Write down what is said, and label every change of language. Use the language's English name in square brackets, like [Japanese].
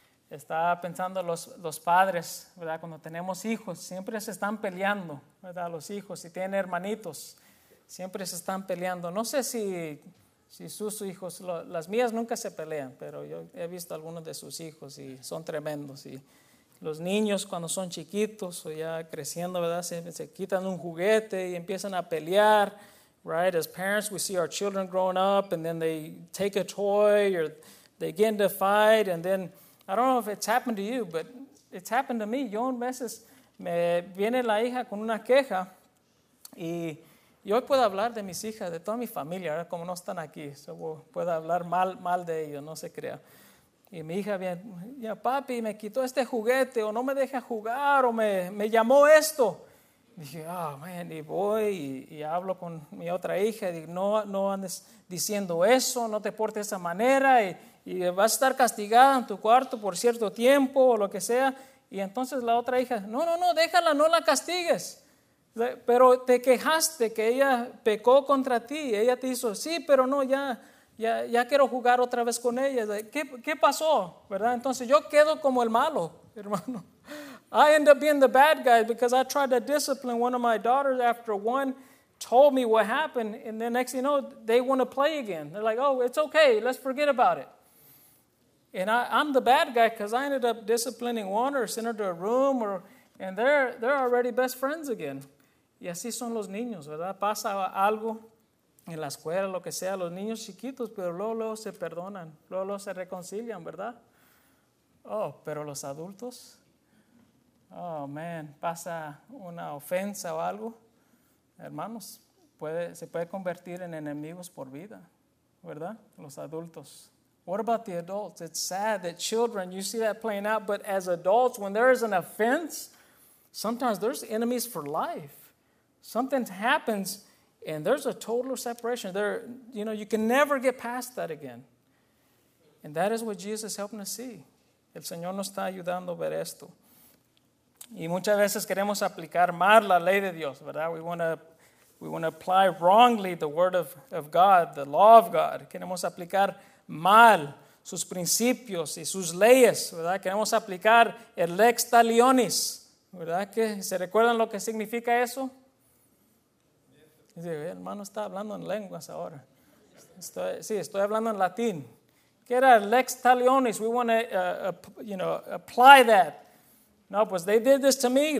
[Spanish] Estaba pensando los padres, ¿verdad?, cuando tenemos hijos, siempre se están peleando, ¿verdad?, los hijos, si tienen hermanitos, siempre se están peleando. No sé si sus hijos, las mías nunca se pelean, pero yo he visto algunos de sus hijos y son tremendos. Y los niños cuando son chiquitos o ya creciendo, ¿verdad?, se quitan un juguete y empiezan a pelear. [English] Right? As parents, we see our children growing up and then they take a toy or they get into a fight. And then, I don't know if it's happened to you, but it's happened to me. [Spanish] Yo a veces me viene la hija con una queja y yo hoy puedo hablar de mis hijas, de toda mi familia, ¿verdad?, como no están aquí. So, puedo hablar mal de ellos, no se crea. Y mi hija viene, ya papi, me quitó este juguete, o no me deja jugar, o me llamó esto. Dije, [English] oh, man, [Spanish] y voy y hablo con mi otra hija. Y digo, no andes diciendo eso, no te portes de esa manera, y vas a estar castigada en tu cuarto por cierto tiempo, o lo que sea. Y entonces la otra hija, no, déjala, no la castigues. Pero te quejaste que ella pecó contra ti, ella te hizo, sí, pero no, ya quiero jugar otra vez con ella. ¿Qué pasó? ¿Verdad? Entonces yo quedo como el malo, hermano. [English] I end up being the bad guy because I tried to discipline one of my daughters after one told me what happened, and then next thing you know, they want to play again. They're like, oh, it's okay, let's forget about it. And I'm the bad guy because I ended up disciplining one or sent her to a room or... And they're already best friends again. [Spanish] Y así son los niños, ¿verdad? Pasa algo en la escuela, lo que sea, los niños chiquitos, pero luego se perdonan, luego se reconcilian, ¿verdad? Oh, pero los adultos, [English] oh, man, [Spanish] pasa una ofensa o algo, hermanos, se puede convertir en enemigos por vida, ¿verdad? Los adultos. [English] What about the adults? It's sad that children, you see that playing out, but as adults, when there is an offense, sometimes there's enemies for life. Something happens and there's a total separation. There, you know, you can never get past that again. And that is what Jesus is helping us see. [Spanish] El Señor nos está ayudando a ver esto. Y muchas veces queremos aplicar mal la ley de Dios, ¿verdad? [English] We want to apply wrongly the word of God, the law of God. [Spanish] Queremos aplicar mal sus principios y sus leyes, ¿verdad? Queremos aplicar el lex talionis. ¿Verdad que se recuerdan lo que significa eso? Dice, hermano, está hablando en lenguas ahora. Estoy hablando en latín. ¿Qué era lex talionis? [English] We want to, you know, apply that. [Spanish] No, pues [English] they did this to me.